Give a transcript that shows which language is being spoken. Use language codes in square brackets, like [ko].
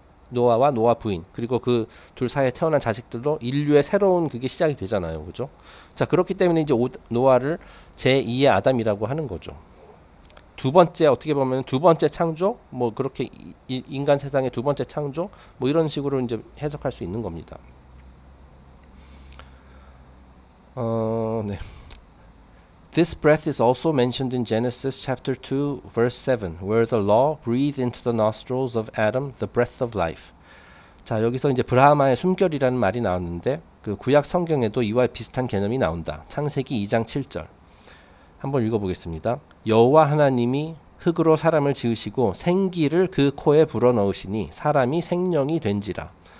[ko] 노아와 노아 부인, 그리고 그둘 사이에 태어난 자식들도 인류의 새로운 그게 시작이 되잖아요. 그죠? 자, 그렇기 때문에 이제 노아를 제2의 아담이라고 하는 거죠. 두 번째, 어떻게 보면 두 번째 창조, 뭐 그렇게 인간 세상의 두 번째 창조, 뭐 이런 식으로 이제 해석할 수 있는 겁니다. 네. [en] This breath is also mentioned in Genesis chapter 2, verse 7, where the law breathed into the nostrils of Adam the breath of life. [ko] 자, 여기서 이제 브라마의 숨결이라는 말이 나왔는데, 그 구약 성경에도 이와 비슷한 개념이 나온다. 창세기 2장 7절. 한번 읽어보겠습니다. 여호와 하나님이 흙으로 사람을 지으시고 생기를 그 코에 불어넣으시니 사람이 생령이 된지라.